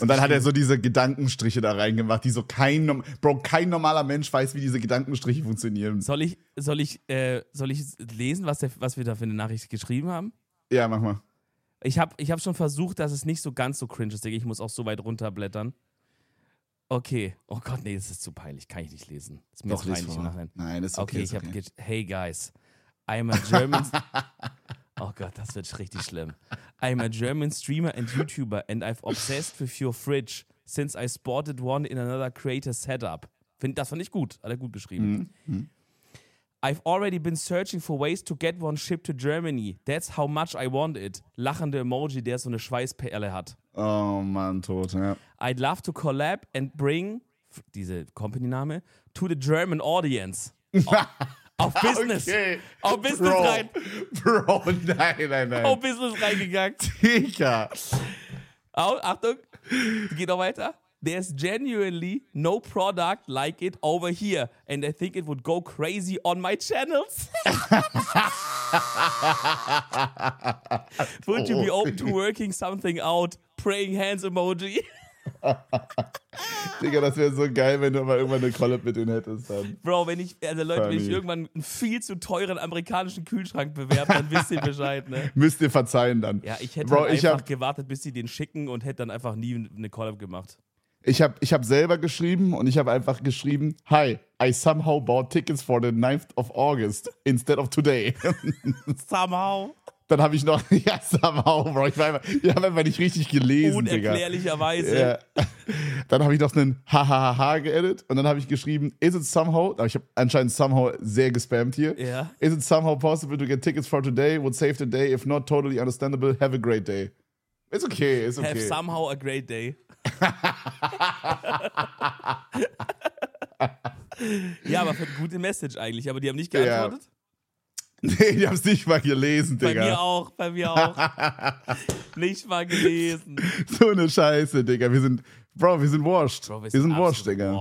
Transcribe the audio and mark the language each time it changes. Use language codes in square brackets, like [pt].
[de] Und dann hat er so diese Gedankenstriche da reingemacht, die so kein normaler Mensch weiß, wie diese Gedankenstriche funktionieren. Soll ich lesen, was wir da für eine Nachricht geschrieben haben? Ja, mach mal. Ich hab schon versucht, dass es nicht so ganz so cringe ist. Ich muss auch so weit runterblättern. Okay. Oh Gott, nee, das ist zu peinlich. Kann ich nicht lesen. Das ist mir doch, peinlich lese vor. Nein, das ist okay. [en] Okay, hey guys, I'm a German. [de] Oh Gott, das wird richtig schlimm. [en] I'm a German streamer and YouTuber and I've obsessed with your fridge since I spotted one in another creator setup. [de] Das fand ich gut. Hat er gut geschrieben. [en] Mm-hmm. I've already been searching for ways to get one shipped to Germany. That's how much I want it. [de] Lachende Emoji, der so eine Schweißperle hat. Oh Mann, tot, ja. [en] I'd love to collab and bring [de] diese Company-Name [en] to the German audience. [de] Auf Business. Okay. Auf Business Bro. Rein. Bro, nein. Auf Business reingegangen. Digga. Achtung, geht noch weiter. [en] There's genuinely no product like it over here. And I think it would go crazy on my channels. Would you be open to working something out? Praying hands emoji. [de] Digga, das wäre so geil, wenn du mal irgendwann eine Collab mit denen hättest. Dann. Bro, wenn ich, also Leute, funny. Wenn ich irgendwann einen viel zu teuren amerikanischen Kühlschrank bewerbe, dann wisst ihr Bescheid, ne? Müsst ihr verzeihen dann. Ja, ich hätte Bro, einfach ich gewartet, bis sie den schicken und hätte dann einfach nie eine Collab gemacht. Ich hab selber geschrieben und ich habe einfach geschrieben, [en] hi, I somehow bought tickets for the 9th of August instead of today. Somehow. [de] Dann habe ich noch, ja, somehow, Bro, ich hab einfach nicht richtig gelesen. Unerklärlicherweise. Digga. Ja. Dann habe ich noch einen Hahaha geedit und dann habe ich geschrieben, [en] is it somehow, [de] aber ich habe anscheinend somehow sehr gespammt hier. [en] Yeah. Is it somehow possible to get tickets for today, would save the day, if not totally understandable, have a great day. It's okay. Have somehow a great day. [de] Ja, aber für eine gute Message eigentlich, aber die haben nicht geantwortet. Ja. Nee, ich hab's nicht mal gelesen, Digga. Bei mir auch. Nicht mal gelesen. So eine Scheiße, Digga. Wir sind washed, Digga.